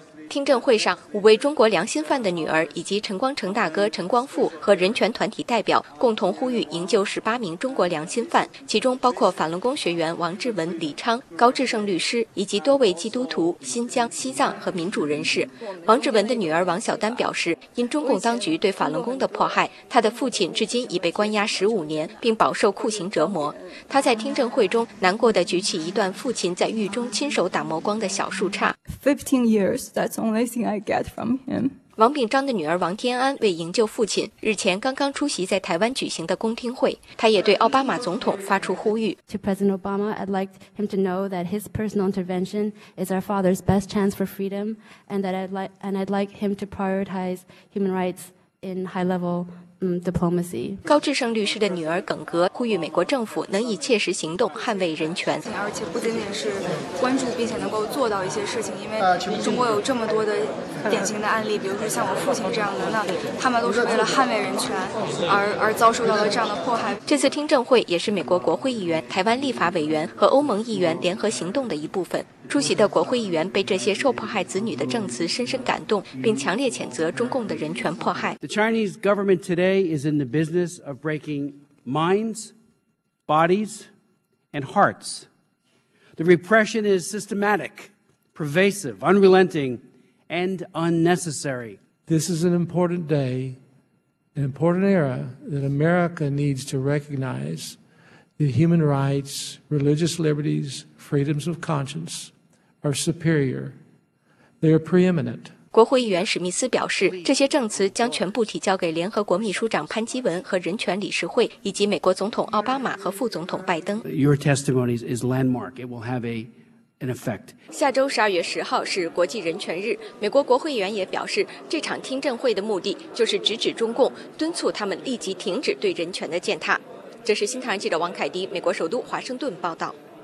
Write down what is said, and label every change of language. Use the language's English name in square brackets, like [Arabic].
[Chinese] 听证会上，五位中国良心犯的女儿以及陈光诚大哥陈光富和人权团体代表共同呼吁营救18名中国良心犯，其中包括法轮功学员王志文、李昌、高志胜律师以及多位基督徒、新疆、西藏和民主人士。王志文的女儿王小丹表示，因中共当局对法轮功的迫害，他的父亲至今已被关押15年并饱受酷刑折磨。他在听证会中难过地举起一段父亲在狱中亲手打磨光的小树杈。 [English] 15 years, that's only thing I get from him。 [Chinese] 王炳章的女儿王天安为营救父亲日前刚刚出席在台湾举行的公听会，她也对奥巴马总统发出呼吁。 [English] To President Obama, I'd like him to know that his personal intervention is our father's best chance for freedom, and that I'd like him to prioritize human rights in high level。 Diplomacy。 [Chinese] 高志胜律师的女儿耿格呼吁美国政府能以切实行动捍卫人权，而且不仅仅是关注并且能够做到一些事情，因为中国有这么多的典型的案例，比如说像我父亲这样的，那他们都是为了捍卫人权 而遭受到了这样的迫害。这次听证会也是美国国会议员、台湾立法委员和欧盟议员联合行动的一部分。出席的国会议员被这些受迫害子女的证词深深感动，并强烈谴责中共的人权迫害。 [English] The Chinese government today is in the business of breaking minds, bodies, and hearts. The repression is systematic, pervasive, unrelenting, and unnecessary. This is an important day, an important era that America needs to recognize the human rights, religious liberties, freedoms of conscience. [Chinese] 国会议员史密斯表示，这些证词将全部提交给联合国秘书长潘基文和人权理事会，以及美国总统奥巴马和副总统拜登。 [English] Your testimony is landmark. It will have an effect. [Chinese] 下周12月10日是国际人权日，美国国会议员也表示，这场听证会的目的就是直指中共，敦促他们立即停止对人权的践踏。这是新唐人记者王凯迪，美国首都华盛顿报道。